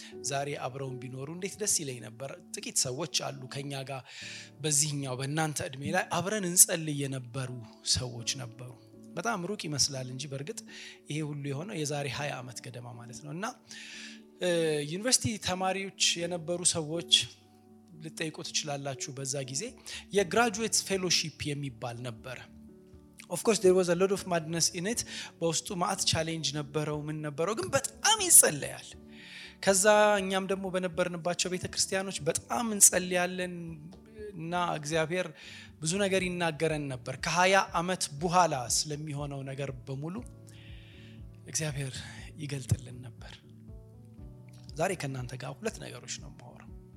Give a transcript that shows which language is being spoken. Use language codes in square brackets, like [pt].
[am] ዛሬ አብረውን ቢኖሩ እንዴት ደስ ይለኝ ነበር ጥቂት ሰዎች አሉ ከኛ ጋር በዚህኛው በእናንተ እድሜ ላይ አብረን እንጸልይ የነበሩ ሰዎች ነበሩ በጣም ሩቅ ይመስላል እንጂ በርግጥ ይሄ ሁሉ የሆነው የዛሬ 20 አመት ገደማ ማለት ነውና ዩኒቨርሲቲ ተማሪዎች የነበሩ ሰዎች ልጠይቁት ይችላልላችሁ በዛ ጊዜ የግራጁዌት ፌሎሺፕ የሚባል ነበር [en] Of course, there was a lot of madness in it. [am] በውስጡ ማት ቻሌንጅ ነበረው ምን ነበረው ግን በጣም ይጸለያል ከዛ እኛም ደግሞ በነበርንባቸው ቤተክርስቲያኖች በጣም እንጸልያለን እና እግዚአብሔር ብዙ ነገር ይናገረን ነበር ከ20 አመት በኋላ ስለሚሆነው ነገር በሙሉ እግዚአብሔር ይገልጥልን ነበር ዛሬ ከእናንተ ጋር ሁለት ነገሮች ነው የማወራው